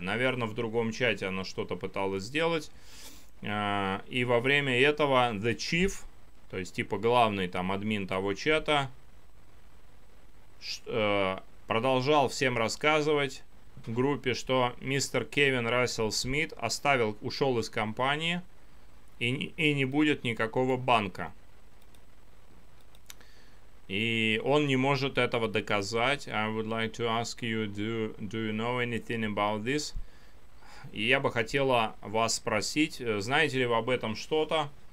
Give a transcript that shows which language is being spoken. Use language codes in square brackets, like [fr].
[ru] Наверное, в другом чате она что-то пыталась сделать. И во время этого The Chief, то есть типа главный там админ того чата, продолжал всем рассказывать в группе, что мистер Кевин Рассел Смит оставил, ушел из компании и не будет никакого банка. И он не может этого доказать. [en] I would like to ask you, do you know anything about this? [ru] И я бы хотела вас спросить, знаете ли вы об этом что-то?